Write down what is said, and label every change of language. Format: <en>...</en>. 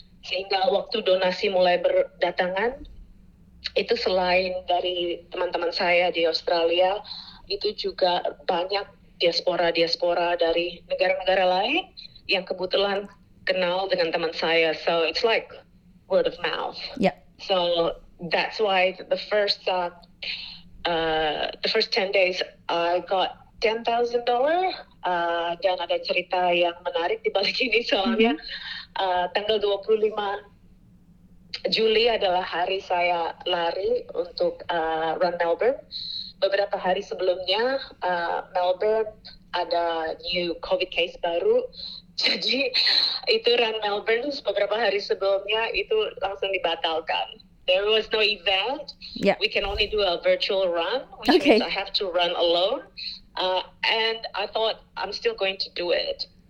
<id>Sehingga waktu donasi mulai berdatangan, itu selain dari teman-teman saya di Australia, itu juga banyak diaspora-diaspora dari negara-negara lain yang kebetulan kenal dengan teman saya.</id> <en>So it's like word of mouth. Yeah. So that's why the first 10 days I got $10,000.</en> <id>Dan ada cerita yang menarik di balik ini soalnya tanggal 25 Juli adalah hari saya lari untuk Run Melbourne. Beberapa hari sebelumnya Melbourne ada</id> <en>new COVID case</en> <id>baru. Jadi itu Run Melbourne beberapa hari sebelumnya itu langsung dibatalkan.</id> <en>There was no event. Yeah. We can only do a virtual run, which okay. means I have to run alone. And I thought I'm still going to do it.</en>